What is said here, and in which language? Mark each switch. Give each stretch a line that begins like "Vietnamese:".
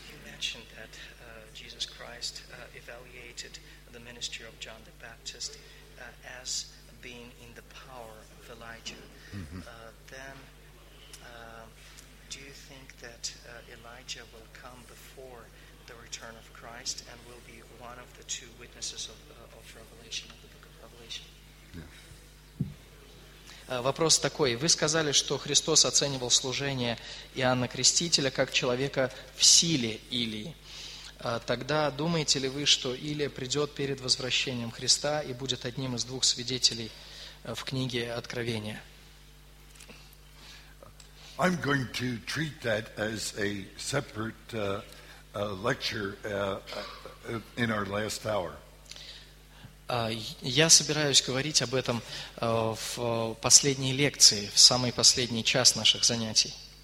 English: You mentioned that Jesus Christ evaluated the ministry of John the Baptist as being in the power of Elijah. Then, do you think that Elijah will come before the return of Christ and will be one of the two witnesses of Revelation, of the book of Revelation?
Russian: Вопрос такой. Вы сказали, что Христос оценивал служение Иоанна Крестителя как человека в силе Илии. Тогда думаете ли вы, что Илия придет перед возвращением Христа и будет одним из двух свидетелей в книге Откровения?
English: I'm going to treat that as a separate lecture in our last hour.
Russian: Я собираюсь говорить об этом в последней лекции, в самый последний час наших занятий.